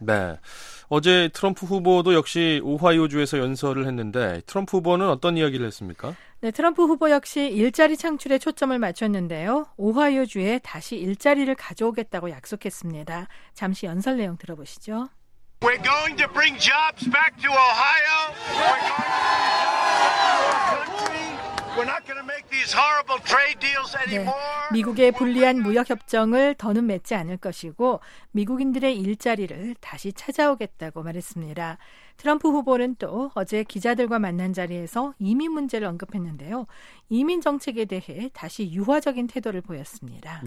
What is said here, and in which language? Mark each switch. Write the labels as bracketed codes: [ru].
[ko] 네. 어제 트럼프 후보도 역시 오하이오주에서 연설을 했는데 트럼프 후보는 어떤 이야기를 했습니까? 네, 트럼프 후보 역시 일자리 창출에 초점을 맞췄는데요. 오하이오주에 다시 일자리를 가져오겠다고 약속했습니다. 잠시 연설 내용 들어보시죠. [en] We're going to bring jobs back to Ohio. We're not going to make these horrible trade deals anymore. [ko] 네, 미국의 불리한 무역협정을 더는 맺지 않을 것이고 미국인들의 일자리를 다시 찾아오겠다고 말했습니다. 트럼프 후보는 또 어제 기자들과 만난 자리에서 이민 문제를 언급했는데요. 이민 정책에 대해 다시 유화적인 태도를 보였습니다.